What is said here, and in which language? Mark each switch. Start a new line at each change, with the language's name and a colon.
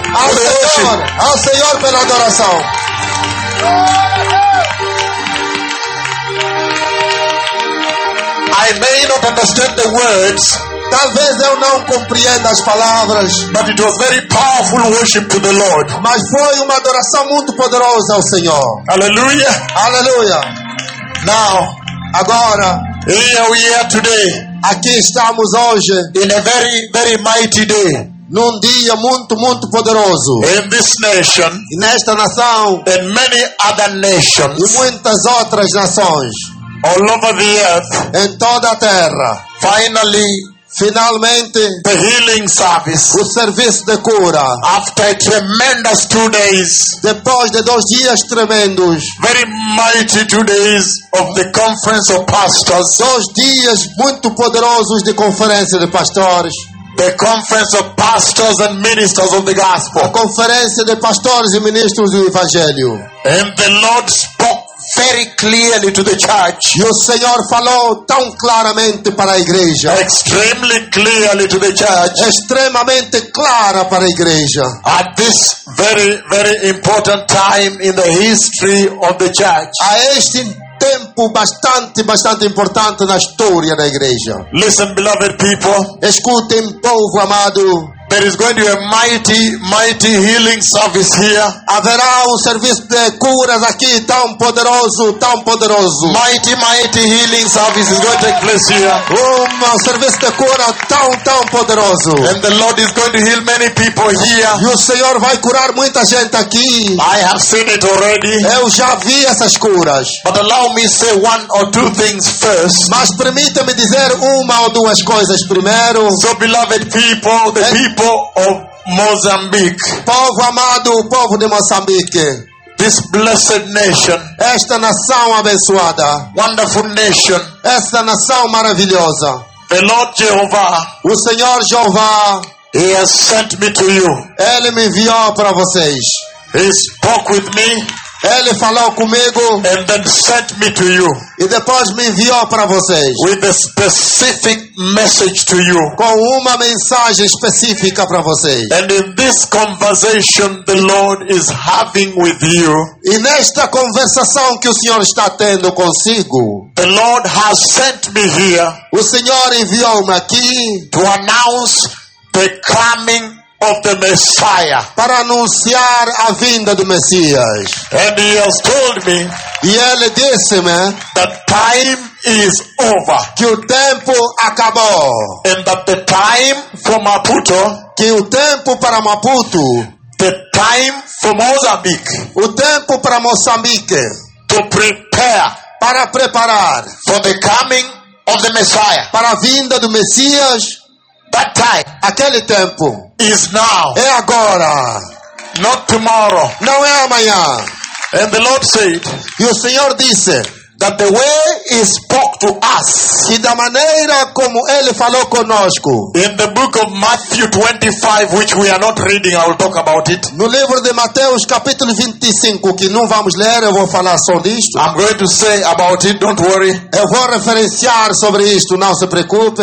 Portuguese: Ao Senhor. Ao Senhor pela adoração.
English: I may not understand the words.
Portuguese: Talvez eu não compreenda as palavras,
English: but it was very powerful worship to the Lord.
Portuguese: Mas foi uma adoração muito poderosa ao Senhor. Aleluia. Aleluia. Now, agora,
English: here we are today.
Portuguese: Aqui estamos hoje.
English: In a very, very mighty day.
Portuguese: Num dia muito, muito poderoso.
English: In this nation.
Portuguese: Nesta nação.
English: And many other nations.
Portuguese: E muitas outras nações.
English: All over the earth.
Portuguese: Em toda a terra.
English: Finally.
Portuguese: Finalmente,
English: the healing service,
Portuguese: o serviço de cura,
English: after a tremendous 2 days,
Portuguese: depois de 2 dias tremendos,
English: very mighty 2 days of the conference of pastors,
Portuguese: 2 dias muito poderosos de conferência de pastores,
English: the conference of pastors and ministers of the gospel,
Portuguese: a conferência de pastores e ministros do evangelho,
English: and the Lord spoke very clearly to the church.
Portuguese: E o Senhor falou tão claramente para a igreja.
English: Extremely clearly to the church.
Portuguese: Extremamente clara para a igreja.
English: At this very, very important time in the history of the church.
Portuguese: A este tempo bastante, bastante importante na história da igreja.
English: Listen, beloved people.
Portuguese: Escutem, povo amado.
English: There is going to be a mighty, mighty healing service here.
Portuguese: Haverá serviço de curas aqui tão poderoso, tão poderoso.
English: Mighty, mighty healing service is going to take place here.
Portuguese: Serviço de cura tão, tão poderoso.
English: And the Lord is going to heal many people here.
Portuguese: E o Senhor vai curar muita gente aqui.
English: I have seen it already.
Portuguese: Eu já vi essas curas.
English: But allow me to say one or two things first.
Portuguese: Mas permita-me dizer uma ou duas coisas primeiro.
English: So, beloved people, the people of Mozambique.
Portuguese: Povo amado, o povo de Moçambique.
English: This blessed nation.
Portuguese: Esta nação abençoada.
English: Wonderful nation.
Portuguese: Esta nação maravilhosa.
English: The Lord Jehovah.
Portuguese: O Senhor Jeová.
English: He has sent me to you.
Portuguese: Ele me enviou para vocês.
English: He spoke with me.
Portuguese: Ele falou comigo.
English: And then sent me to you.
Portuguese: E depois me enviou para vocês.
English: With a specific message to you.
Portuguese: Com uma mensagem específica para vocês.
English: And in this conversation the Lord is having with you.
Portuguese: E nesta conversação que o Senhor está tendo consigo.
English: The Lord has sent me here.
Portuguese: O Senhor enviou-me aqui.
English: To announce the coming of the Messiah.
Portuguese: Para anunciar a vinda do Messias.
English: And he has told me.
Portuguese: E ele disse-me.
English: That time is over.
Portuguese: Que o tempo acabou.
English: And that the time for Maputo.
Portuguese: Que o tempo para Maputo.
English: The time for Mozambique.
Portuguese: O tempo para Moçambique.
English: To prepare.
Portuguese: Para preparar.
English: For the coming of the Messiah.
Portuguese: Para a vinda do Messias.
English: That time.
Portuguese: Aquele tempo.
English: Is now.
Portuguese: É agora.
English: Not tomorrow.
Portuguese: Não é amanhã.
English: And the Lord said.
Portuguese: E o Senhor disse.
English: That the way he spoke to us.
Portuguese: Que da maneira como ele falou conosco.
English: In the book of Matthew 25, which we are not reading, I will talk about it.
Portuguese: No livro de Mateus, capítulo 25, que não vamos ler, eu vou falar só disto.
English: I'm going to say about it, don't worry.
Portuguese: Eu vou referenciar sobre isto, não se preocupe.